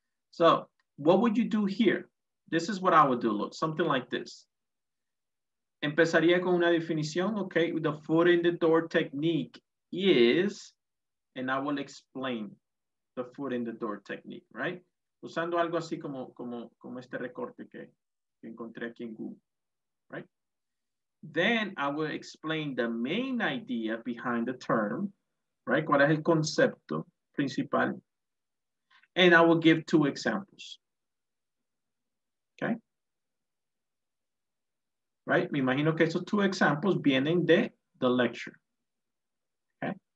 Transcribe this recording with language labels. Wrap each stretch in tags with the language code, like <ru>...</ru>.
<en>So what would you do here? This is what I would do, look, something like this.</en> <es>Empezaría con una definición,</es> <en>okay? The foot in the door technique is, and I will explain the foot in the door technique, right?</en> <es>Usando algo así como este recorte que encontré aquí en Google, right?</es> <en>Then I will explain the main idea behind the term, right?</en> <es>¿Cuál es el concepto principal?</es> <en>And I will give two examples, okay?</en> <es>Right, me imagino que estos</es> <en>two examples</en> <es>vienen de</es> <en>the lecture,</en> <es>okay?</es>